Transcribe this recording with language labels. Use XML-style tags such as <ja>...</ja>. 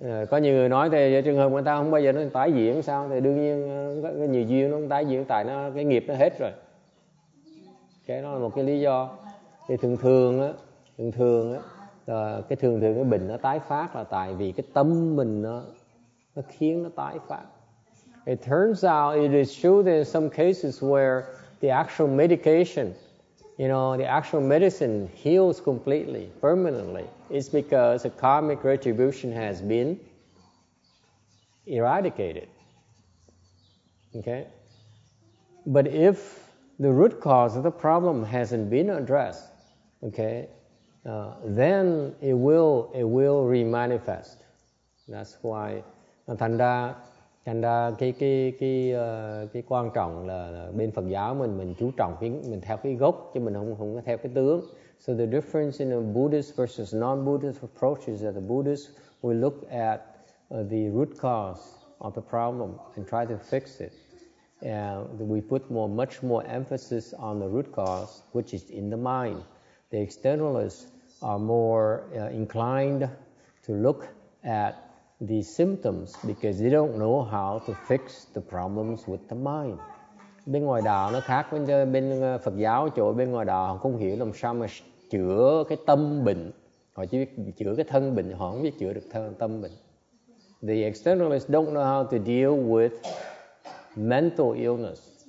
<vi>Có nhiều người nói thì trường hợp người ta không bao giờ nó tái diễn sao, thì đương nhiên cái nhiều duyên nó không tái diễn, tại nó cái nghiệp nó hết rồi. Cái đó là một cái lý do. Thì thường thường cái bệnh nó tái phát là tại vì cái tâm mình nó khiến nó tái phát.</vi> <en>It turns out it is true that in some cases where the actual medication, you know, the actual medicine heals completely, permanently, it's because the karmic retribution has been eradicated. Okay? But if the root cause of the problem hasn't been addressed, okay, then it will remanifest. That's why</en> <vi>thành ra cái quan trọng là bên Phật giáo mình chú trọng mình theo cái gốc chứ mình không có theo cái tướng.</vi> <en>So the difference in a Buddhist versus non-Buddhist approach is that the Buddhist will look at the root cause of the problem and try to fix it. And we put much more emphasis on the root cause, which is in the mind. The externalists are more inclined to look at the symptoms because they don't know how to fix the problems with the mind.</en> <vi>Bên ngoài đạo nó khác với bên Phật giáo, chỗ bên ngoài đạo họ không hiểu làm sao mà chữa cái tâm bệnh. Họ chỉ biết chữa cái thân bệnh, họ không biết chữa được tâm bệnh.</vi> <en>The externalists don't know how to deal with mental illness.</en>